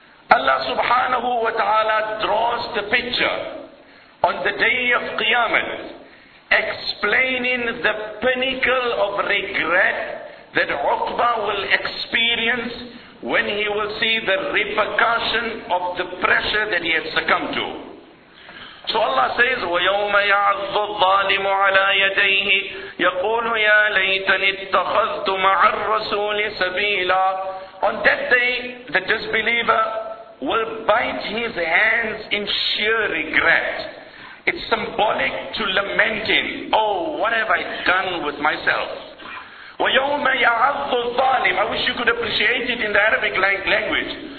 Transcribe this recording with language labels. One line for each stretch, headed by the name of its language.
English: Allah subhanahu wa ta'ala draws the picture on the day of Qiyamah, explaining the pinnacle of regret that Uqba will experience when he will see the repercussion of the pressure that he had succumbed to. So Allah says,
Arabic: وَيَوْمَ يَعَظُّ الظَّالِمُ عَلَىٰ يَدَيْهِ يَقُولُ يَا لَيْتَنِ اتَّخَذْتُ مَعَ الرَّسُولِ سَبِيلًا.
English: On that day, the disbeliever will bite his hands in sheer regret. It's symbolic to lamenting, oh, what have I done with myself?
Arabic: وَيَوْمَ يَعَظُّ الظَّالِمُ.
English: I wish you could appreciate it in the Arabic language.